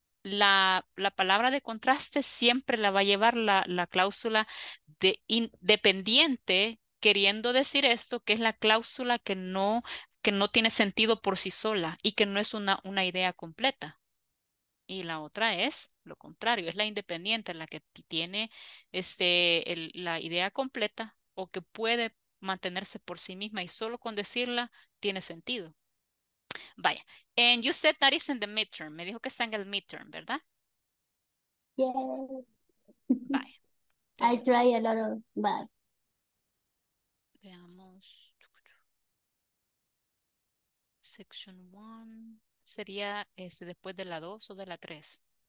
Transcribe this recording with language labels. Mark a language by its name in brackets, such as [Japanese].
[Spanish] La palabra de contraste siempre la va a llevar la cláusula de dependiente, queriendo decir esto, que es la cláusula que no tiene sentido por sí sola y que no es una idea completa. Y la otra es lo contrario, es la independiente, la que tiene la idea completa o que puede mantenerse por sí misma y solo con decirla tiene sentido. [English] Vaya, and you said that is in the midterm. [Spanish] Me dijo que está en el midterm, ¿verdad? [English] Yes. [Spanish] Vaya. [English] I try a lot of, but... [Spanish] Veamos. Section 1 sería después de la 2 o de la 3.